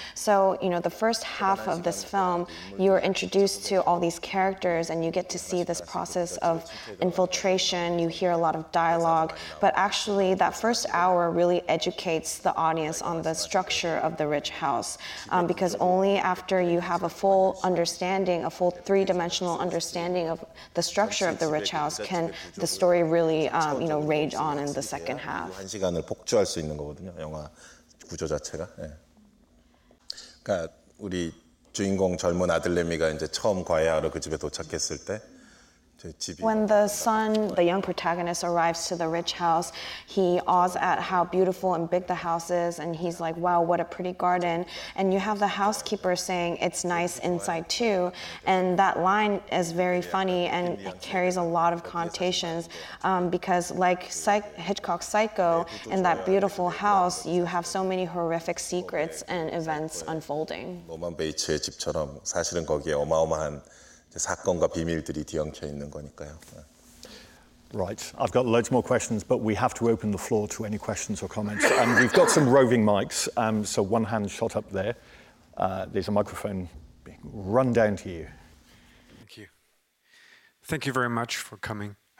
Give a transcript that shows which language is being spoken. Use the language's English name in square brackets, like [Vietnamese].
[English] So, you know, the first half of this film, you are introduced to all these characters, and you get to see this process of infiltration, you hear a lot of dialogue, but actually that first hour really educates the audience on the structure of the rich house, because only after you have a full understanding, a full three-dimensional understanding of the structure of the rich house can the story really you know rage on in the second half. [Korean] 한 시간을 복주할 수 있는 거거든요. 영화 구조 자체가. 예. 그러니까 우리 주인공 젊은 아들내미가 이제 처음 과외하러 그 집에 도착했을 때 [English] When the son, the young protagonist, arrives to the rich house, he awes at how beautiful and big the house is, and he's like, wow, what a pretty garden. And you have the housekeeper saying, it's nice inside too. And that line is very funny and carries a lot of connotations, because like Hitchcock's Psycho, in that beautiful house, you have so many horrific secrets and events unfolding. [Korean] 로만 베이츠의 집처럼 사실은 거기에 어마어마한 사건과 비밀들이 뒤엉켜 있는 거니까요. [English] Right, I've got loads more questions, but we have to open the floor to any questions or comments. And we've got some roving mics, so one hand shot up there. There's a microphone being run down to you. Thank you. Thank you very much for coming.